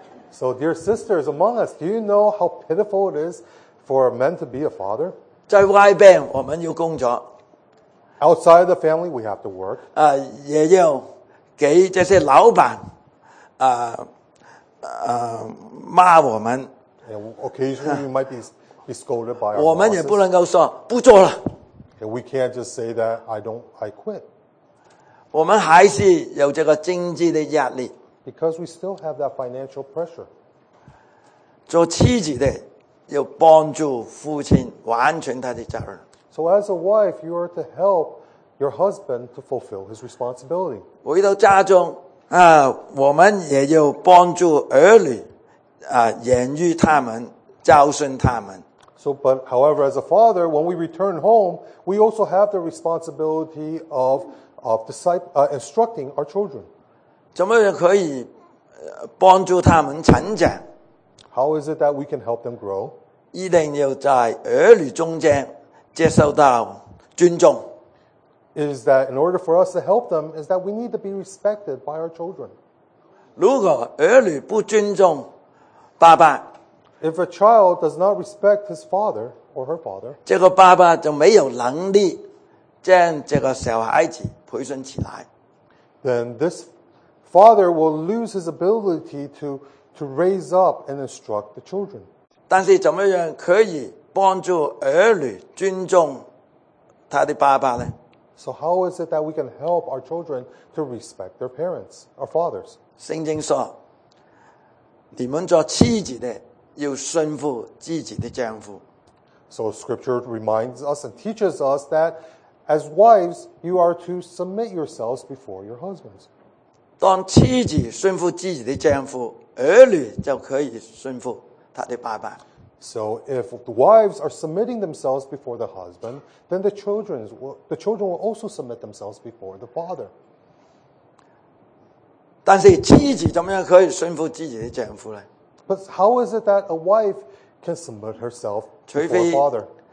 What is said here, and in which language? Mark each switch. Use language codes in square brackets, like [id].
[en] So dear sisters among us, do you know how pitiful it is for a man to be a father? [zh] 在外边我们有工作。 [en] Outside the family, we have to work. [zh] 也要给这些老板，骂我们。 [en] And occasionally, you might be scolded by our bosses. [zh] 我们也不能够说不做了。 [en] And we can't just say that I quit. [zh] 我们还是有这个经济的压力。 [en] Because we still have that financial pressure. [zh] 做妻子的要帮助父亲完成他的责任。 [en] So as a wife, you are to help your husband to fulfill his responsibility. [zh] 回到家中，我们也要帮助儿女，养育他们，教训他们。 [en] So, but however, as a father, when we return home, we also have the responsibility of instructing our children. [zh] 怎么可以帮助他们成长？ [en] How is it that we can help them grow? [zh] 一定要在儿女中间。接受到尊重。 [en] Is that in order for us to help them, is that we need to be respected by our children. [zh] 如果儿女不尊重爸爸， [en] If a child does not respect his father or her father, [zh] 这个爸爸就没有能力将这个小孩子培训起来。 [en] Then this father will lose his ability to raise up and instruct the children. [zh] 但是怎么样可以帮助儿女尊重他的爸爸呢？ [en] So how is it that we can help our children to respect their parents, our fathers? [zh] 圣经说，你们做妻子的要顺服自己的丈夫。 [en] So scripture reminds us and teaches us that as wives, you are to submit yourselves before your husbands. [zh] 当妻子顺服自己的丈夫，儿女就可以顺服他的爸爸。 [en] So if the wives are submitting themselves before the husband, then the children will also submit themselves before the father. [zh] 但是妻子怎么样可以顺服自己的丈夫呢？ [en] But how is it that a wife can submit herself before the father?